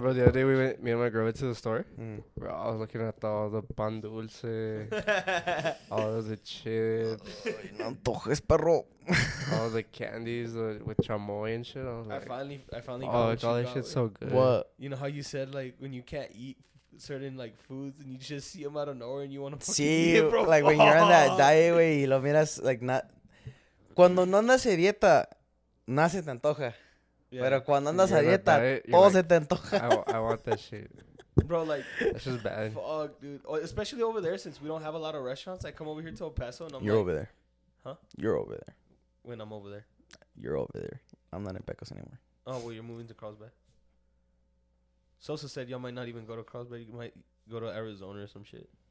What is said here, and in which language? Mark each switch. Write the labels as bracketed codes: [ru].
[en] Bro, the other day me and my girl went to the store. Bro, I was looking at all the pan dulce, all of the chips. [es] No antojes, perro. [en] All the candies with chamoy and shit. I finally got it. Oh, all that shit's so good. What? You know how you said, like, when you can't eat certain, like, foods and you just see them out of nowhere and you want to see eat it, bro? Like, when you're on that diet, wey, [es] y lo miras, [en] like, not. [es] Cuando no andas de dieta, nada se te antoja. Yeah. Pero cuando andas a dieta, todo se te antoja. [en] I want that shit. Bro, like, that's just bad. Fuck, dude. Oh, especially over there, since we don't have a lot of restaurants. I come over here to El Paso and I'm you're over there. Huh? You're over there. When I'm over there. You're over there. I'm not in Pecos anymore. Oh, well, you're moving to Carlsbad. Sosa said y'all might not even go to Carlsbad. You might go to Arizona or some shit.